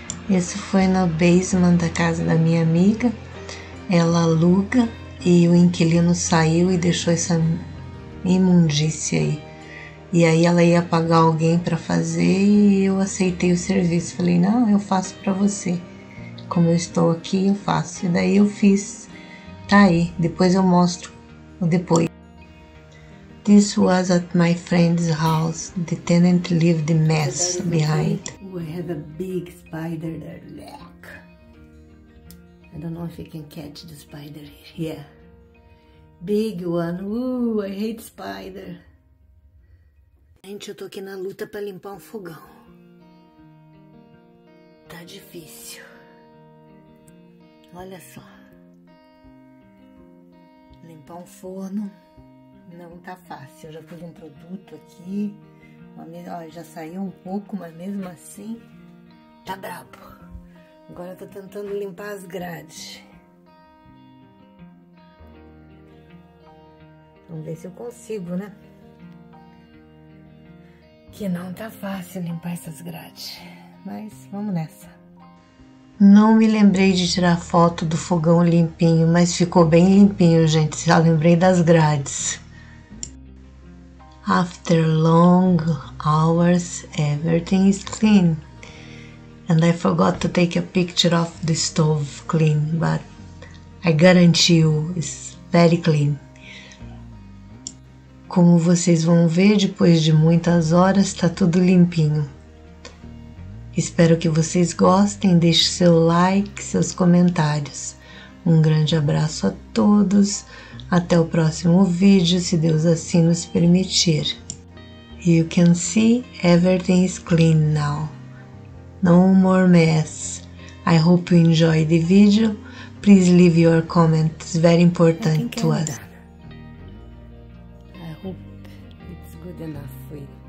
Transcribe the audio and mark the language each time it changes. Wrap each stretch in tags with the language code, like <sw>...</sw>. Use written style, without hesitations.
<pt>Esse foi no basement da casa da minha amiga. Ela aluga e o inquilino saiu e deixou essa imundície aí. E aí ela ia pagar alguém para fazer e eu aceitei o serviço. Falei, não, eu faço para você. Como eu estou aqui, eu faço. E daí eu fiz. Tá aí. Depois eu mostro o depois.</pt> <en>This was at my friend's house. The tenant left the mess behind. We have a big spider there. Look. I don't know if you can catch the spider here. Yeah. Big one. Ooh, I hate spider.</en> <pt>Gente, eu tô aqui na luta pra limpar um fogão. Tá difícil. Olha só. Limpar um forno. Não tá fácil. Eu já pus um produto aqui. Olha, já saiu um pouco, mas mesmo assim tá brabo. Agora eu tô tentando limpar as grades. Vamos ver se eu consigo, né? Que não tá fácil limpar essas grades. Mas vamos nessa. Não me lembrei de tirar foto do fogão limpinho, mas ficou bem limpinho, gente. Já lembrei das grades.</pt> <en>After long hours, everything is clean. And I forgot to take a picture of the stove clean, but I guarantee you, it's very clean.</en> <pt>Como vocês vão ver, depois de muitas horas, está tudo limpinho. Espero que vocês gostem, deixe seu like, seus comentários. Um grande abraço a todos. Até o próximo vídeo, se Deus assim nos permitir.</pt> <en>You can see everything is clean now. No more mess. I hope you enjoy the video. Please leave your comments. It's very important to us. I hope it's good enough for you.</en>